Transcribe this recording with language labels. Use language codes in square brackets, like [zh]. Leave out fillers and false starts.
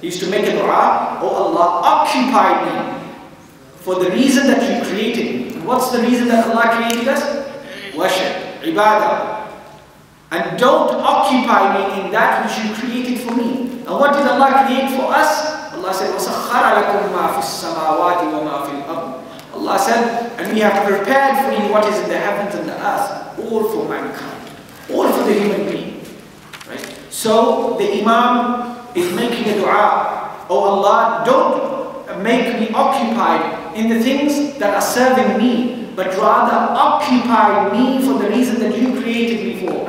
[en] He used to make a du'a, oh Allah, occupy me for the reason that you created me. And what's the reason that Allah created us? Worship, ibadah. And don't occupy me in that which you created for me. And what did Allah create for us? Allah said, [ar] وَسَخَّرَ لَكُمْ مَا فِي السَّمَاوَاتِ وَمَا فِي الْأَرْضِ. [en] Allah said, and we have prepared for you what is in the heavens and the earth, all for mankind, all for the human being. Right? So the Imam is making a dua. Oh Allah, don't make me occupied in the things that are serving me, but rather occupy me for the reason that you created me for.